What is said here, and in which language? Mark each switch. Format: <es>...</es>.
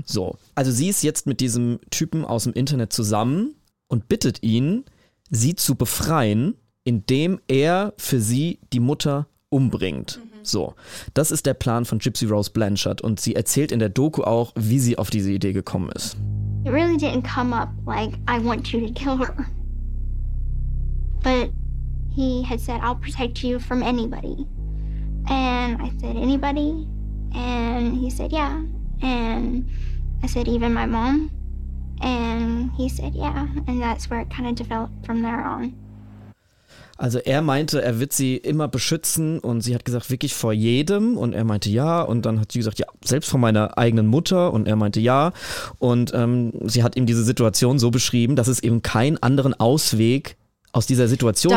<de>So, also sie ist jetzt mit diesem Typen aus dem Internet zusammen und bittet ihn, sie zu befreien, indem er für sie die Mutter umbringt. So, das ist der Plan von Gypsy Rose Blanchard und sie erzählt in der Doku auch, wie sie auf diese Idee gekommen ist.</de> <en>It really didn't come up like I want you to kill her. But he had said I'll protect you from anybody. And I said anybody? And he said yeah. And I said even my mom? And he said yeah. And that's where it kind of developed from there on.</en> <de>Also er meinte, er wird sie immer beschützen und sie hat gesagt, wirklich vor jedem und er meinte ja und dann hat sie gesagt, ja, selbst vor meiner eigenen Mutter und er meinte ja und sie hat ihm diese Situation so beschrieben, dass es eben keinen anderen Ausweg aus dieser Situation gibt.</de>